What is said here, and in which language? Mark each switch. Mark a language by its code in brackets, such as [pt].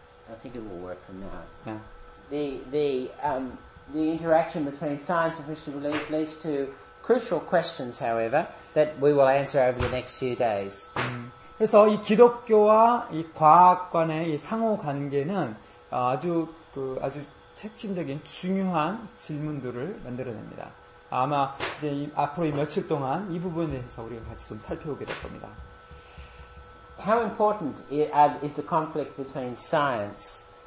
[en] I think it will work from now. The interaction between science and Christian belief leads to crucial questions, however, that we will answer over the next few days. [ko] 그래서 이 기독교와 이 과학 간의 이 상호 관계는 아주 핵심적인 중요한 질문들을 만들어냅니다. 아마 이제 앞으로 이 며칠 동안 이 부분에 대해서 우리가 같이 좀 살펴보게 될 겁니다. [en] How important is the conflict between science?